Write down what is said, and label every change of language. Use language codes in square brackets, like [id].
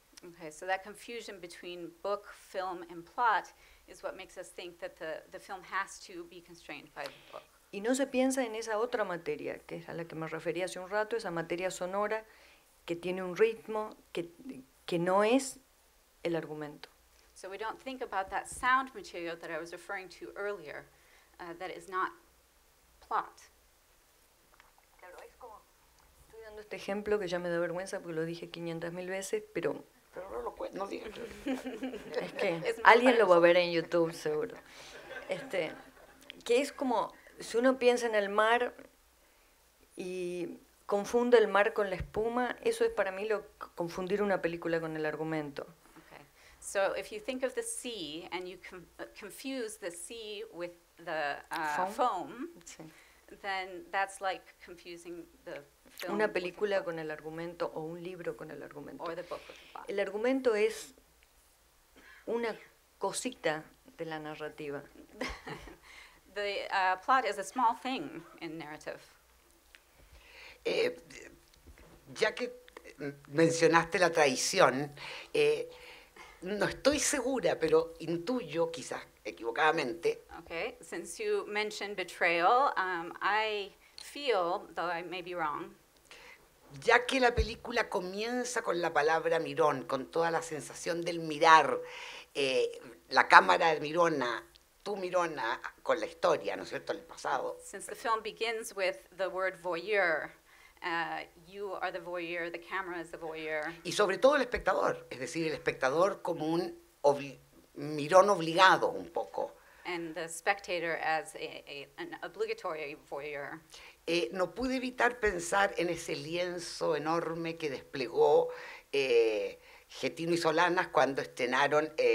[en] Okay, so that confusion between book, film, and plot is what makes us think that the film has to be constrained by the book. [es] Y no se piensa en esa otra materia, que es a la que me refería hace un rato, esa materia sonora que tiene un ritmo que no es el argumento. [en] So we don't think about that sound material that I was referring to earlier, that is not plot. [es] Claro, es como, estoy dando este ejemplo que ya me da vergüenza porque lo dije 500.000 veces, pero... Pero no lo cuento, no digas. Es que alguien lo va a ver en YouTube, seguro. Que es como... Si uno piensa en el mar y confunde el mar con la espuma, eso es para mí lo confundir una película con el argumento. [en] Okay. So if you think of the sea and you confuse the sea with the foam, sí. Then that's like confusing the film. [es] Una película con el argumento o un libro con el argumento. [en] Or the book with the plot. [es] El argumento es una cosita de la narrativa. [en] The plot is a small thing in narrative. [es] Ya que mencionaste la traición, no estoy segura, pero intuyo, quizás equivocadamente. [en] Okay, since you mentioned betrayal, I feel, though I may be wrong. [es] Ya que la película comienza con la palabra mirón, con toda la sensación del mirar, la cámara de Mirona, tú Mirona, con la historia, ¿no es cierto?, el pasado. [en] Since the film begins with the word voyeur, you are the voyeur, the camera is the voyeur. [es] Y sobre todo el espectador, es decir, el espectador como un mirón obligado un poco. [en] And the spectator as an obligatory voyeur. [es] No pude evitar pensar en ese lienzo enorme que desplegó Getino y Solanas cuando estrenaron...